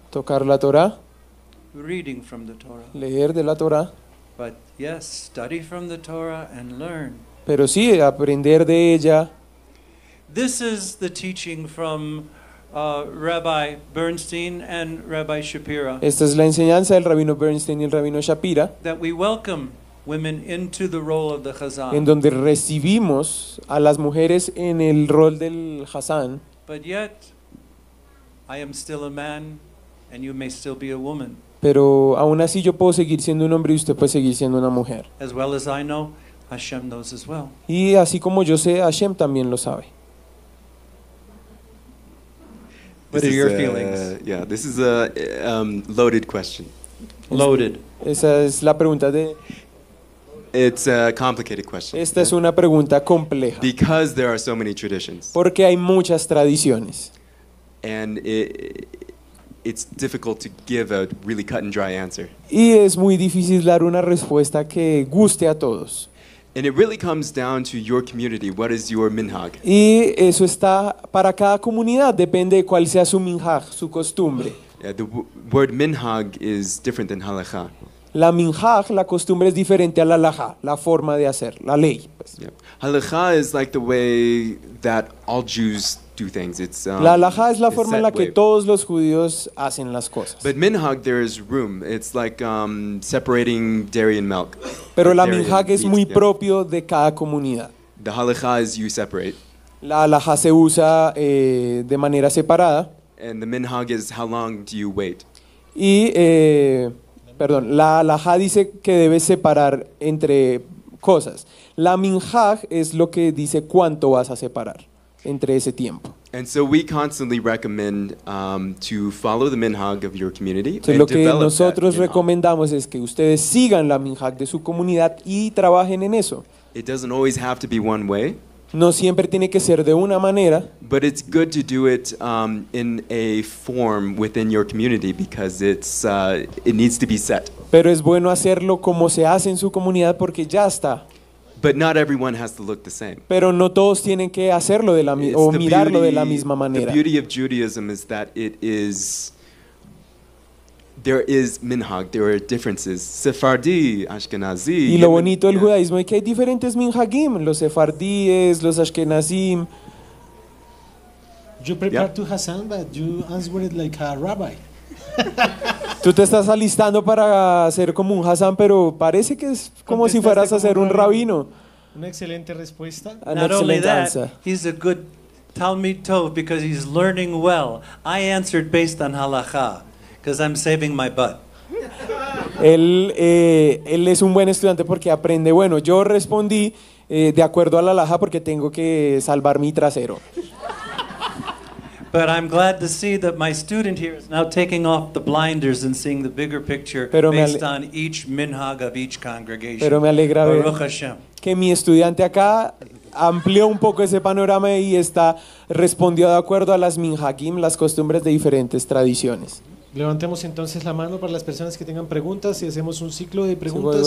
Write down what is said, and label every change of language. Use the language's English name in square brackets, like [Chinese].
[Spanish] tocar la Torah, [English] reading from the Torah. [Spanish] Leer de la Torah. [English] But yes, study from the Torah and learn. [Spanish] Pero sí, aprender de ella. [English] This is the teaching from Rabbi Bernstein and Rabbi Shapira. [Spanish] Esta es la enseñanza del Rabino Bernstein y el Rabino Shapira. [English] That we welcome women into the role of the chazan. [Spanish] En donde recibimos a las mujeres en el rol del chazan. [English] But yet, I am still a man, and you may still be a woman. [Spanish] Pero aún así yo puedo seguir siendo un hombre y usted puede seguir siendo una mujer. [English] As well as I know, Hashem knows as well. [Spanish] Y así como yo sé, Hashem también lo sabe. [English] What are your feelings? Yeah, this is a loaded question. Loaded. [Spanish] Esa es la pregunta de. [English] It's a complicated question. [Spanish] Esta es una pregunta compleja. [English] Because there are so many traditions. [Spanish] Porque hay muchas tradiciones. [English] And it's difficult to give a really cut and dry answer. [Spanish] Y es muy difícil dar una respuesta que guste a todos. [English] And it really comes down to your community. What is your minhag? [Spanish] Y eso está para cada comunidad. Depende de cuál sea su minhag, su costumbre. [English] Yeah, the word minhag is different than halakha. [Spanish] La minhag, la costumbre, es diferente a la halakha, la forma de hacer, la ley. Pues. [English] Yeah. Halakha is like the way that all Jews do things. It's [Spanish] la halakha es la forma en la que todos los judíos hacen las cosas. [English] But minhag, there is room. It's like separating dairy and milk. [Spanish] Pero la minhag es muy propio de cada comunidad. [English] The halakha is you separate. [Spanish] La halakha se usa de manera separada. [English] And the minhag is how long do you wait? [Spanish] Y perdón, la halajá dice que debes separar entre cosas. La minhag es lo que dice cuánto vas a separar entre ese tiempo. [English] And so we constantly recommend to follow the minhag of your community. [Spanish] Entonces, lo que nosotros recomendamos es que ustedes sigan la minhag de su comunidad y trabajen en eso. [English] It doesn't always have to be one way. [Spanish] No siempre tiene que ser de una manera. [English] But it's good to do it in a form within your community because it's it needs to be set. [Spanish] Pero es bueno hacerlo como se hace en su comunidad porque ya está. [English] But not everyone has to look the same. [Spanish] Pero no todos tienen que hacerlo de la o mirarlo de la misma manera. [English] The beauty of Judaism is that it is there is minhag, there are differences. Sephardi, Ashkenazi. [Spanish] Y lo bonito del judaísmo es que hay diferentes minhagim, los sefardíes, los ashkenazim. [English] You prepare to hasan, but you answer it like a rabbi. [Spanish] Tú te estás alistando para ser como un hasan, pero parece que es como si fueras a ser un rabino. Una excelente respuesta. [English] Not only that, he's a good Talmid Tov because he's learning well. I answered based on halakha. Because I'm saving my butt. [Spanish] Él es un buen estudiante porque aprende. Bueno, yo respondí de acuerdo a la halajá porque tengo que salvar mi trasero. [English] But I'm glad to see that my student here is now taking off the blinders and seeing the bigger picture based on each minhag of each congregation. [Spanish] Pero me alegra ver [Hebrew] Baruch Hashem. [Spanish] Que mi estudiante acá amplió un poco ese panorama y está respondió de acuerdo a las minhagim, las costumbres de diferentes tradiciones. Levantemos entonces la mano para las personas que tengan preguntas y hacemos un ciclo de preguntas.